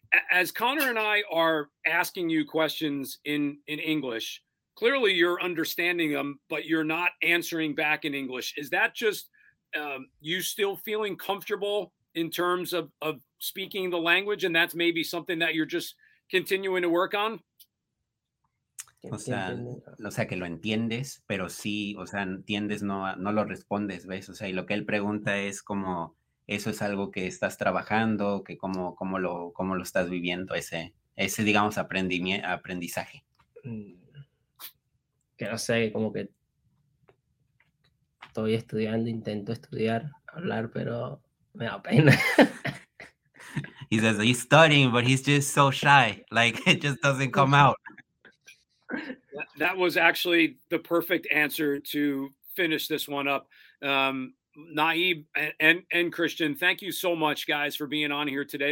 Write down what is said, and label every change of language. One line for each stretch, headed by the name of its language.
English: As Connor and I are asking you questions in English, clearly you're understanding them, but you're not answering back in English. Is that just you still feeling comfortable in terms of speaking the language, and that's maybe something that you're just continuing to work on?
Spanish: O sea, que lo entiendes, pero sí, o sea, entiendes, no lo respondes, ¿ves? O sea, y lo que él pregunta es como, eso es algo que estás trabajando, que cómo lo estás viviendo, ese digamos, aprendizaje. Que no sé, como que estoy estudiando, intento estudiar, hablar, pero me da pena.
English: He says he's studying, but he's just so shy, like it just doesn't come out. That was actually the perfect answer to finish this one up. Naib and Cristian, thank you so much, guys, for being on here today.